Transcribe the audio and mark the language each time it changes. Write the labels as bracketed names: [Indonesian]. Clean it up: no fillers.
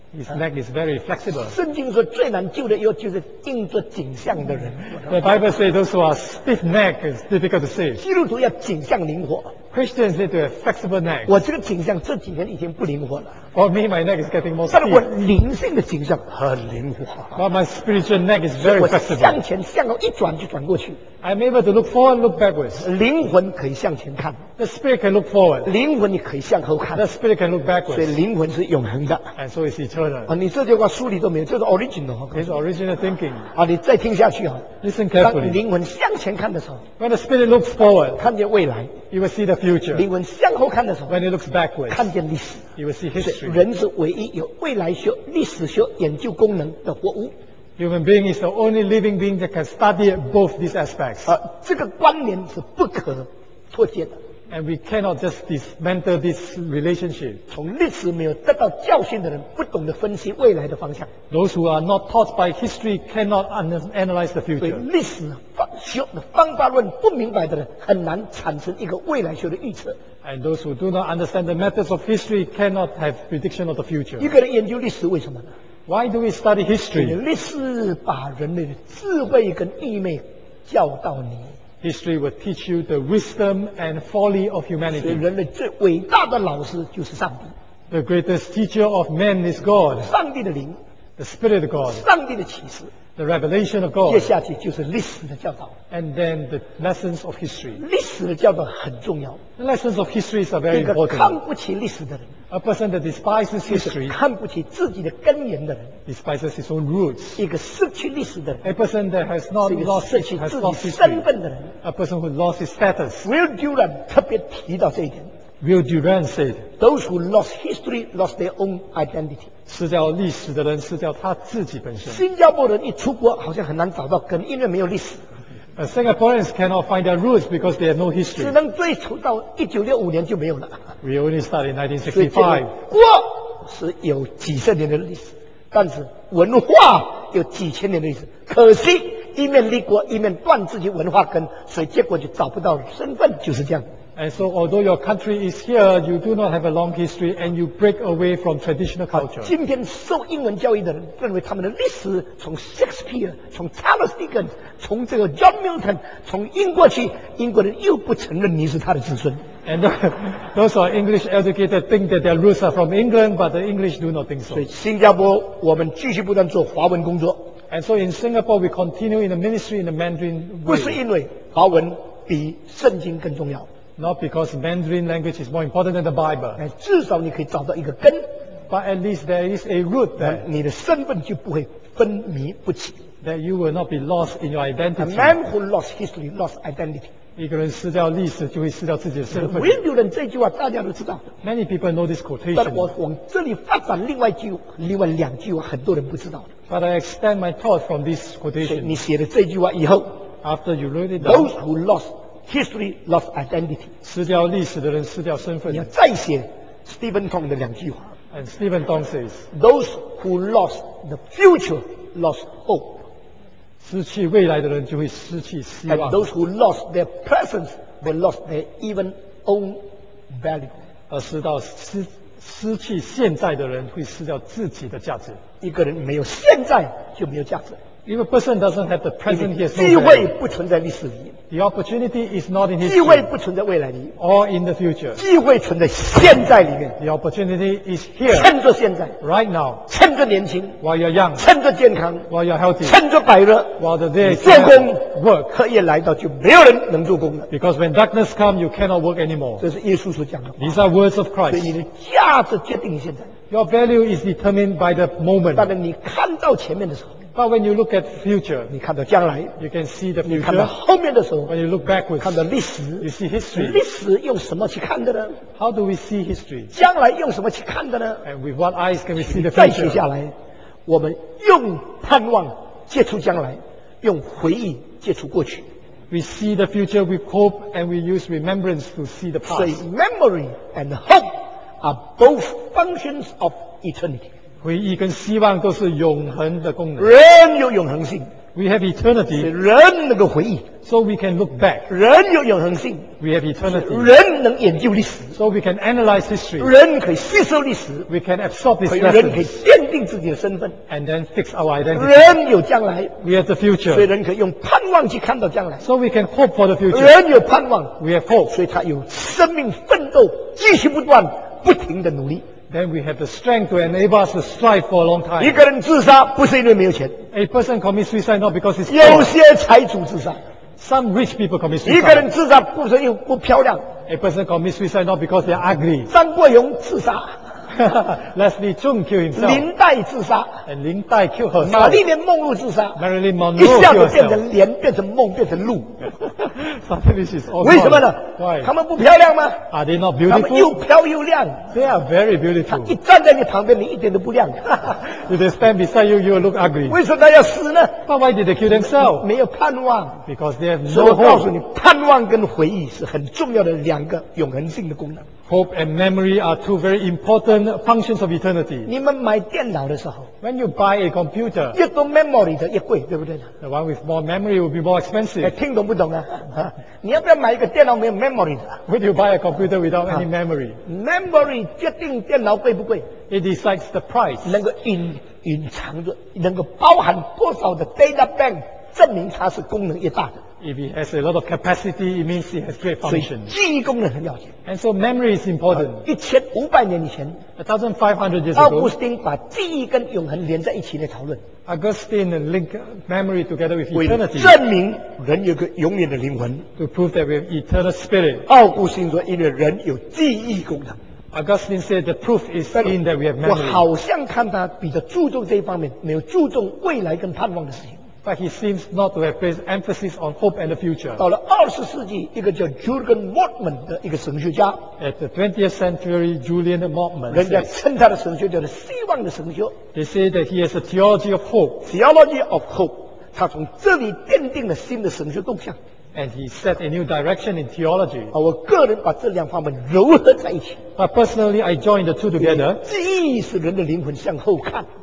[English] His neck is very flexible. [Chinese] 圣经说最难救的又就是硬着景象的人。 [English] The Bible says those who are stiff neck is difficult to save. [Chinese] 基督徒要景象灵活。 [English] Christians need to have flexible neck. [Chinese] 我这个景象这几年已经不灵活了。 [English] Or me, my neck is getting more stiff. [Chinese] 但我灵性的景象很灵活。 [English] But my spiritual neck is very flexible. [Chinese] 向前向后一转就转过去。 [English] I'm able to look forward, look backwards. [Chinese] 灵魂可以向前看。 [English] The spirit can look forward. [Chinese] 灵魂你可以向后看。 [English] The spirit can look backwards. [Chinese] 所以灵魂是永恒的。 [English] And so it's eternal. [Chinese] 你这句话书里都没有，这是 original. [English] It's original thinking. [Chinese] 你再听下去啊。 [English] Listen carefully. [Chinese] 当灵魂向前看的时候。 [English] When the spirit looks forward. [Chinese] 看见未来。 [English] You will see the future. [Chinese] 灵魂向后看的时候。 [English] When it looks backwards. [Chinese] 看见历史。 [English] You will see history. [Chinese] 人是唯一有未来学、历史学研究功能的活物。 [English] Human being is the only living being that can study both these aspects. [Chinese] 这个关联是不可脱节的。 [English] And we cannot just dismantle this relationship. [Chinese] 从历史没有得到教训的人，不懂得分析未来的方向。 [English] Those who are not taught by history cannot analyze the future. [Chinese] 对历史学的方法论不明白的人，很难产生一个未来学的预测。 [English] And those who do not understand the methods of history cannot have prediction of the future. [Chinese] 一个人研究历史为什么呢？ [English] Why do we study history? [Chinese] 历史把人类的智慧跟愚昧教导你。 [English] History will teach you the wisdom and folly of humanity. [Chinese] 所以人类最伟大的老师就是上帝。 [English] The greatest teacher of men is God. [Chinese] 上帝的灵。 [English] The spirit of God. [Chinese] 上帝的启示。 [English] The revelation of God. [Chinese] 接下去就是历史的教导。 [English] And then the lessons of history. [Chinese] 历史的教导很重要。 [English] The lessons of history are very important. [Chinese] 一个看不起历史的人。 [English] A person that despises history. [Chinese] 看不起自己的根源的人。 [English] Despises his own roots. [Chinese] 一个失去历史的人。 [English] A person that has not lost history. [Chinese] 失去自己身份的人。 [English] A person who lost his status. [Chinese] Will Durant 特别提到这一点。 [English] Will Durant say, "Those who lost history lost their own identity." [Chinese] 失掉历史的人失掉他自己本身。新加坡人一出国好像很难找到根，因为没有历史。 [English] Singaporeans cannot find their roots because they have no history. [Chinese] 只能追溯到1965年就没有了。 [English] We only start in 1965. [Chinese] 国是有几十年的历史，但是文化有几千年的历史。可惜一面立国，一面断自己文化根，所以结果就找不到身份，就是这样。 [English] And so although your country is here, you do not have a long history and you break away from traditional culture. [Chinese] 今天受英文教育的人认为他们的历史从 Shakespeare, 从 Charles Dickens, 从这个 John Milton, 从英国去，英国人又不承认你是他的子孙。 [English] And those who are English educated think that their roots are from England, but the English do not think so. [Chinese] 所以新加坡我们继续不断做华文工作。 [English] And so in Singapore, we continue in the ministry in the Mandarin way. [Chinese] 不是因为华文比圣经更重要。 [English] Not because Mandarin language is more important than the Bible. [Chinese] 至少你可以找到一个根。 [English] But at least there is a root that [Chinese] 你的身份就不会分迷不清。 [English] That you will not be lost in your identity. A man who lost history lost identity. [Chinese] 一个人失掉历史就会失掉自己的身份。 Will Durant 这句话大家都知道。 [English] Many people know this quotation. [Chinese] 但我往这里发展另外两句话很多人不知道。 [English] But I extend my thought from this quotation. [Chinese] 你写了这句话以后。 [English] After you wrote it down. Those who lost history lost identity. [Chinese] 失掉历史的人失掉身份。你要再写 Stephen Tong 的两句话。 [English] And Stephen Tong says, "Those who lost the future lost hope." [Chinese] 失去未来的人就会失去希望。 [English] And those who lost their presence will lost their even own value. [Chinese] 而失去现在的人会失掉自己的价值。一个人没有现在就没有价值。 [English] If a person doesn't have the present, he has no value. [Chinese] 机会不存在历史里。 [English] The opportunity is not in history. [Chinese] 机会不存在未来里。 [English] Or in the future. [Chinese] 机会存在现在里面。 [English] The opportunity is here. [Chinese] 趁着现在。 [English] Right now. [Chinese] 趁着年轻。 [English] While you're young. [Chinese] 趁着健康。 [English] While you're healthy. [Chinese] 趁着白日。 [English] While the day is still young. [Chinese] 做工。 [English] Work. [Chinese] 黑夜来到就没有人能做工了。 [English] Because when darkness comes, you cannot work anymore. [Chinese] 这是耶稣所讲的。 [English] These are words of Christ. [Chinese] 所以你的价值决定于现在。 [English] Your value is determined by the moment. [Chinese] 但是你看到前面的时候。 [English] But when you look at future, [Chinese] 你看到将来， [English] you can see the future. [Chinese] 你看到后面的时候， [English] when you look backwards, [Chinese] 看到历史， [English] you see history. [Chinese] 历史用什么去看的呢？ [English] How do we see history? [Chinese] 将来用什么去看的呢？ [English] And with what eyes can we see the future? [Chinese] 再写下来，我们用盼望接触将来，用回忆接触过去。 [English] We see the future with hope, and we use remembrance to see the past. So memory and hope are both functions of eternity. [Chinese] 回忆跟希望都是永恒的功能。人有永恒性。 [English] We have eternity. [Chinese] 人能够回忆。 [English] So we can look back. [Chinese] 人有永恒性。 [English] We have eternity. [Chinese] 人能研究历史。 [English] So we can analyze history. [Chinese] 人可以吸收历史。 [English] We can absorb this lesson. [Chinese] 人可以奠定自己的身份。 [English] And then fix our identity. [Chinese] 人有将来。 [English] We have the future. [Chinese] 所以人可以用盼望去看到将来。 [English] So we can hope for the future. [Chinese] 人有盼望。 [English] We have hope. [Chinese] 所以他有生命奋斗，继续不断，不停的努力。 [English] Then we have the strength to enable us to strive for a long time. [Chinese] 一个人自杀不是因为没有钱。 [English] A person commits suicide not because he's poor. [Chinese] 有些财主自杀。 [English] Some rich people commit suicide. [Chinese] 一个人自杀不是因为不漂亮。 [English] A person commits suicide not because they're ugly. [Chinese] 张国荣自杀。 [English] Leslie Cheung killed himself. [Chinese] 林黛自杀。 [English] And 林黛 killed herself. [Chinese] 玛丽莲梦露自杀。 [English] Marilyn Monroe killed [Chinese] herself. 一下子变成莲，变成梦，变成露。 [English] Suddenly she's all gone. [Chinese] 为什么呢？ [English] Why? [Chinese] 他们不漂亮吗？ [English] Are they not beautiful? [Chinese] 他们又漂又亮。 [English] They are very beautiful. [Chinese] 他一站在你旁边，你一点都不亮。 [English] If they stand beside you, you will look ugly. [Chinese] 为什么他要死呢？ [English] But why did they kill themselves? [Chinese] 没有盼望。 [English] Because they have no hope. [Chinese] 所以我告诉你，盼望跟回忆是很重要的两个永恒性的功能。 [English] Hope and memory are two very important functions of eternity. [Chinese] 你们买电脑的时候， [English] when you buy a computer, [Chinese] 越多 memory 的越贵，对不对？ [English] The one with more memory will be more expensive. [Chinese] 听懂不懂啊？你要不要买一个电脑没有 memory 的？ [English] Would you buy a computer without any memory? [Chinese] Memory 决定电脑贵不贵。 [English] It decides the price. [Chinese] 能够隐藏着，能够包含多少的 data bank， 证明它是功能越大的。 [English] If he has a lot of capacity, it means he has great function. [Chinese] 记忆功能很要紧。 [English] And so memory is important. [Chinese] 1500年以前 [English] ，1500 years ago， [Chinese] 奥古斯丁把记忆跟永恒连在一起来讨论。 [English] Augustine linked memory together with eternity. [Chinese] 为证明人有个永远的灵魂。 [English] To prove that we have eternal spirit. [Chinese] 奥古斯丁说，因为人有记忆功能。 [English] Augustine said the proof is in that we have memory. [Chinese] 我好像看他比较注重这一方面，没有注重未来跟盼望的事情。 [English] But he seems not to have placed emphasis on hope and the future. [Chinese] 到了20世纪，一个叫 Julian Mortman 的一个神学家。 [English] At the 20th century, Julian Mortman. [Chinese] 人家称他的神学叫做希望的神学。 [English] They say that he has a theology of hope. Theology of hope. [Chinese] 他从这里奠定了新的神学动向。 [English] And he set a new direction in theology. [Chinese] 我个人把这两方面糅合在一起。 [English] But personally, I joined the two together. [Chinese] 记忆使人的灵魂向后看。